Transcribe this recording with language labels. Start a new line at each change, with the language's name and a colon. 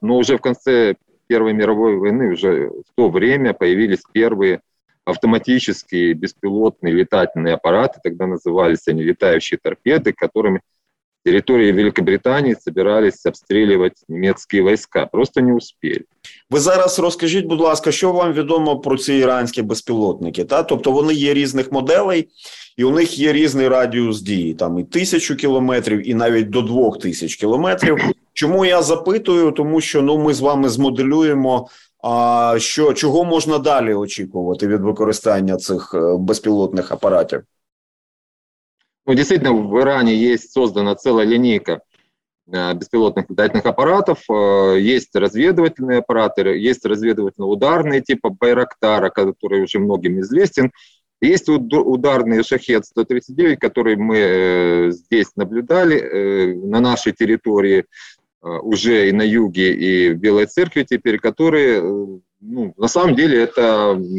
Russian: Но уже в конце Первой мировой войны, уже в то время появились первые автоматические беспилотные летательные аппараты, тогда назывались они летающие торпеды, которыми территории Великобритании собирались обстреливать немецкие войска. Просто не успели.
Ukrainian: Ви зараз розкажіть, будь ласка, що вам відомо про ці іранські безпілотники? Та? Тобто вони є різних моделей, і у них є різний радіус дії, там і 1000 кілометрів, і навіть до 2000 кілометрів. Чому я запитую? Тому що ну, ми з вами змоделюємо, що, чого можна далі очікувати від використання цих безпілотних апаратів? Ну, дійсно, в Ірані є створена ціла лінійка
Russian: беспилотных летательных аппаратов, есть разведывательные аппараты, есть разведывательно-ударные типа Байрактара, который уже многим известен, есть ударный Шахет-139, который мы здесь наблюдали, на нашей территории уже и на юге, и в Белой Церкви теперь, которые, ну, на самом деле это